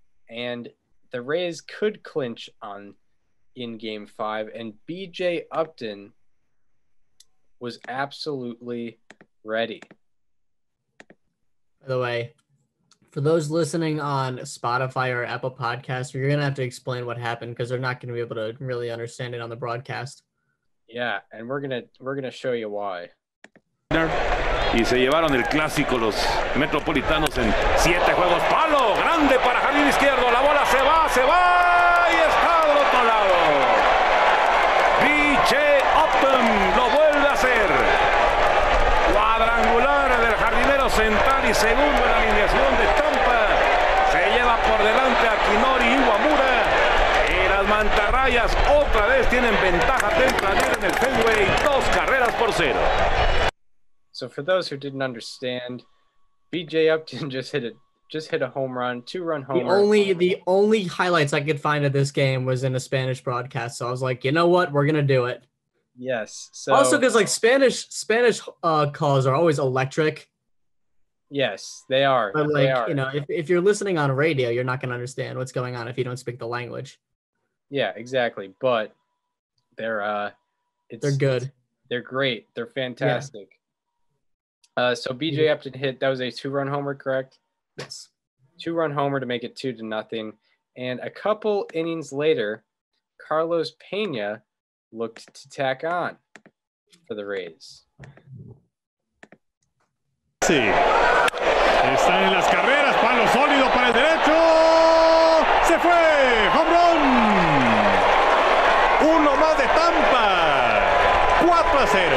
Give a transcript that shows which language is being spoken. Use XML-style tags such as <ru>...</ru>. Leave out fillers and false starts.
<en>And the Rays could clinch on in game five, and BJ Upton was absolutely ready. By the way, for those listening on Spotify or Apple Podcasts, you're going to have to explain what happened because they're not going to be able to really understand it on the broadcast. Yeah, and we're going to show you why.</en> <es>Y se llevaron el clásico los metropolitanos en siete juegos. Palo grande para jardín izquierdo. La bola se va y está al otro lado. BJ Upton lo vuelve a hacer. Cuadrangular del jardinero central y segundo en la alineación de Tampa. Se lleva por delante a Kinori Iwamura. Y las mantarrayas otra vez tienen ventaja tempranera en el Fenway. Dos carreras por cero.</es> <en>So for those who didn't understand, BJ Upton just hit a home run, two-run homer. The only highlights I could find of this game was in a Spanish broadcast. So I was like, you know what? We're going to do it. Yes. So also because like Spanish calls are always electric. Yes, they are. But like, they are. You know, if you're listening on radio, you're not going to understand what's going on if you don't speak the language. Yeah, exactly. But they're good. They're great. They're fantastic. Yeah. So BJ Upton hit, that was a two-run homer, correct? Yes. Two-run homer to make it 2-0. And a couple innings later, Carlos Pena looked to tack on for the Rays.</en> <es>Están en las carreras, palo sólido para el derecho. Se fue, home run. Uno más de Tampa. 4-0.</es>